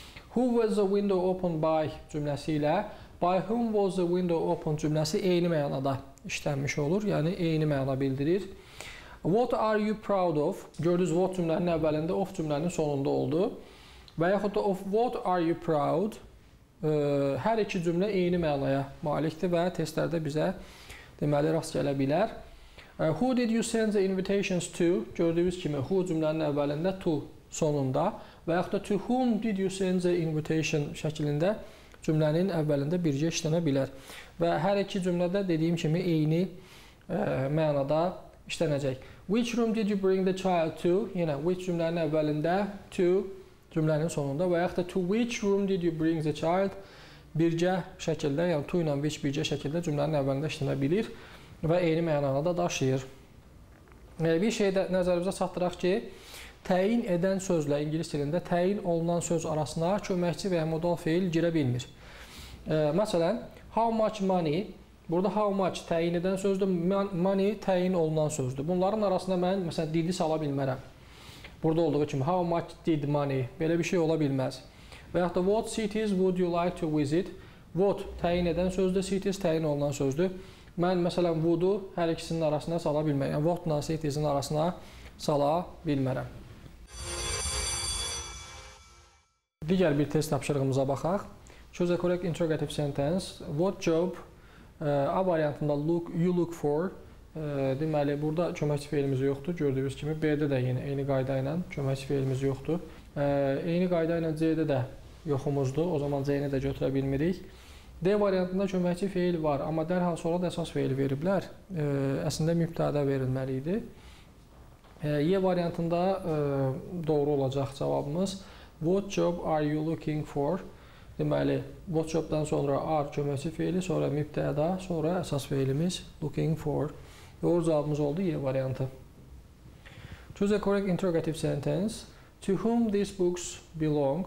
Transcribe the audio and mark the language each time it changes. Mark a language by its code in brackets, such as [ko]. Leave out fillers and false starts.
[en] Who was the window open by [az] cümləsi ilə [en] by whom was the window open [az] cümləsi eyni mənada işlənmiş olur, yəni eyni məna bildirir. [en] What are you proud of? [az] Gördünüz, [en] what [az] cümlənin əvvəlində, [en] of [az] cümlənin sonunda oldu. Və yaxud da [en] of what are you proud? [az] Hər iki cümlə eyni mənaya malikdir və testlərdə bizə deməli, rast gələ bilər. [en] Who did you send the invitations to? [az] Gördüyünüz kimi, who cümlənin əvvəlində, to sonunda. Və yaxud da [en] to whom did you send the invitation [az] şəklində cümlənin əvvəlində bircə işlənə bilər. Və hər iki cümlədə dediyim kimi, eyni mənada işlənəcək. [en] Which room did you bring the child to? [az] Yenə, which cümlənin əvvəlində, to cümlənin sonunda. Və yaxud da [en] to which room did you bring the child? [az] Bircə şəkildə, yəni to ilə which bircə şəkildə cümlənin əvvəlində işlənə bilir və eyni mənanı da daşıyır. Bir şey də nəzərimizə çatdıraq ki, təyin edən sözlə ingilis dilində təyin olunan söz arasına köməkçi və ya modal fiil girə bilmir. Məsələn, how much money, burada how much təyin edən sözdür, money təyin olunan sözdür. Bunların arasında mən, məsələn, dili sala bilmərəm. Burada olduğu kimi, [en] how much did money, [az] belə bir şey ola bilməz. Və yaxud da [en] what cities would you like to visit? [az] What təyin edən sözdür, cities təyin olunan sözdür. Mən məsələn would-u hər ikisinin arasına sala bilmərəm. Yəni what-la cities-in arasına sala bilmərəm. Digər bir test tapşırığımıza baxaq. [en] Choose a correct interrogative sentence. What job A variantında look, you look for. [az] Deməli, burada köməkçi fiilimiz yoxdur. Gördüyünüz kimi B-də də yenə eyni qayda ilə köməkçi fiilimiz yoxdur. Eyni qayda ilə C-də də yoxumuzdur. O zaman C-ni də götürə bilmirik. D variantında köməkçi fiil var. Amma dərhal sonra da əsas fiil veriblər. Əslində, mübtədə verilməli idi. Y variantında doğru olacaq cavabımız. [en] What job are you looking for? [az] Deməli, what jobdan sonra are köməkçi feili, sonra mübtəda, sonra əsas feilimiz looking for. Doğru cavabımız oldu Y variantı. [en] Choose a correct interrogative sentence. To whom these books belong?